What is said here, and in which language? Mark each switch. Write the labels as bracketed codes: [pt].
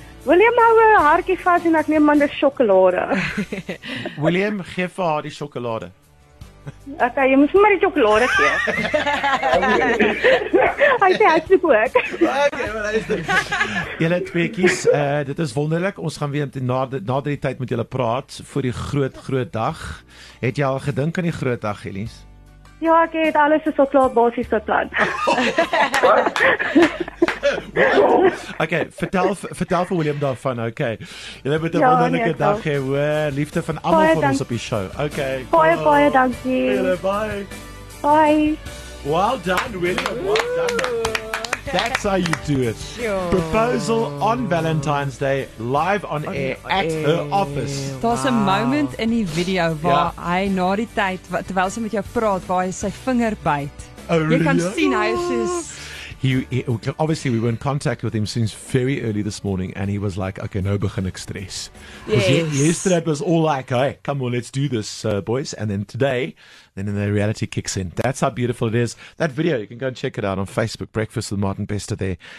[af] William hou een haarkie vast en ek neem man de chocolade. William, geef vir haar die chocolade. Okay, jy moet maar die chocolade gee. Hy sê, hy soek ook. Julle tweekies, dit is wonderlik. Ons gaan weer na die tyd met julle praat vir die groot dag. Het jy al gedink aan die groot dag, Elise? Ja, ek het alles is al klaar basies beplan. Okay, vertel vir William daarvan, okay. Julle moet 'n wonderlike dag hê, hoor. Liefde van almal van ons op die show. Okay. Baie dankie. [en] Bye. Well done, William. Well done. That's how you do it. Sure. Proposal on Valentine's Day, live on air at her office. There's a moment in the video where [af] hy na die tyd, terwyl sy met jou praat, waar hy sy vinger byt. [en] Really? [af] Jy kan sien hy is soos... [en] He obviously we were in contact with him since very early this morning and he was like, okay, [af] nou begin ek stres. [en] Yes. Yesterday it was all like, hey, come on, let's do this, boys. And then today, then the reality kicks in. That's how beautiful it is. That video, you can go and check it out on Facebook, Breakfast with Martin Bester there.